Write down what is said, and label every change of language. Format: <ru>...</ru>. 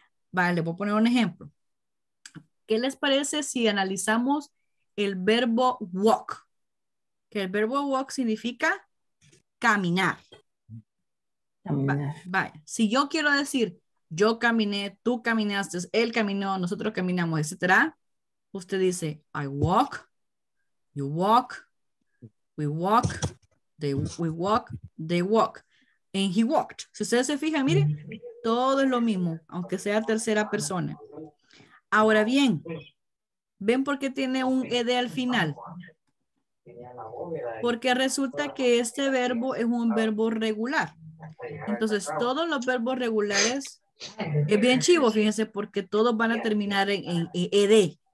<es>Vale, voy a poner un ejemplo. ¿Qué les parece si analizamos el verbo walk? Que el verbo walk significa caminar. Vaya, si yo quiero decir, yo caminé, tú caminaste, él caminó, nosotros caminamos, etcétera. Usted dice,</es> <en>I walk, you walk, we walk, they walk. And he walked.</en> <es>Si ustedes se fijan, miren, todo es lo mismo, aunque sea tercera persona. Ahora bien, ¿ven por qué tiene un ed al final? Porque resulta que este verbo es un verbo regular. Entonces, todos los verbos regulares, es bien chivo, fíjense, porque todos van a terminar en ed.</es>